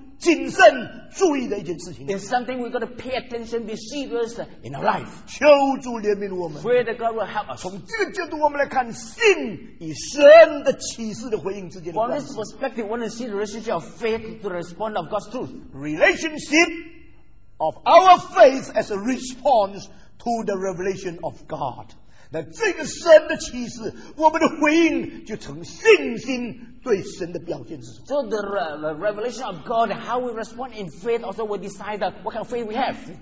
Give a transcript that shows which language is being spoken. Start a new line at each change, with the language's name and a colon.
Chinese: 是我们一生里面最应当严肃谨慎注意的一件事情。
English: It's something we've got to pay attention, be serious in our life.
Chinese: 求主怜悯我们。
English: Pray that God will help us.
Chinese: 从这个角度我们来看, 信与神的启示的回应之间的关系。
English: From this perspective, we want to see the relationship of faith to respond of God's truth. Relationship of our faith as a response to the revelation of God.
Chinese: 那这个神的启示，我们的回应就成信心对神的表现之。
English: So the revelation of God, how we respond in faith, also will decide what kind of faith we have.